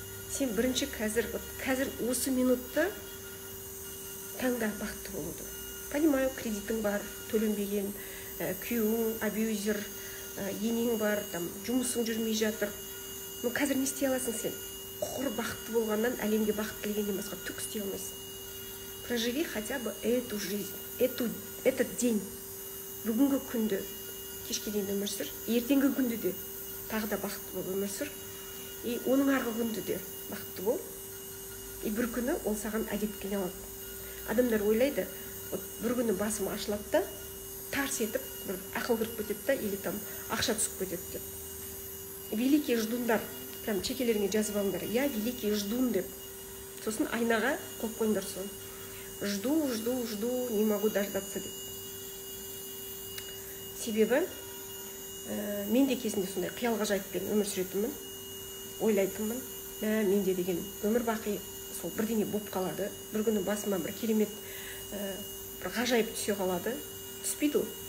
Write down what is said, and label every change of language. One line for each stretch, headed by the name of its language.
Kazakh: Сен бірінші қазір осы минутты таңда бақытты болуды.
Russian: Понимаю,
Kazakh: кредитің бар, төленбеген, күйеуің абьюзер, енең бар, там жұмысың жүрмей жатыр. Ну қазір не істей аласың сен? Құр бақытты болғаннан әлемге бақыт тілегеннен басқа түк істей алмайсың.
Russian: Проживи хотя бы эту жизнь, этот день.
Kazakh: Бүгінгі күнді кешке дейін өмір сүр, ертеңгі күнді де тағы да бақытты болып өмір сүр. И оның арғы күнді де бақытты бол. И бір күні ол саған әдет келе алады. Адамдар ойлайды, вот бір күні басым ашылады да, тарс етіп, бір ақыл кіріп кетеді да, или там ақша түсіп кетеді деп. Великий ждундар, прям чекелеріңе жазып алыңдар,
Russian: я великий ждун
Kazakh: деп. Сосын айнаға қойып қойыңдар соны.
Russian: Жду, жду, жду, не могу дождаться деп.
Kazakh: Себебі, мен де кезінде сондай қиял ғажайыппен өмір сүретінмін, ойлайтынмын, мен де деген өмір бақи сол бірдеңе болып қалады, бір күні басыма бір керемет, бір ғажайып түсе қалады, түспейді ол.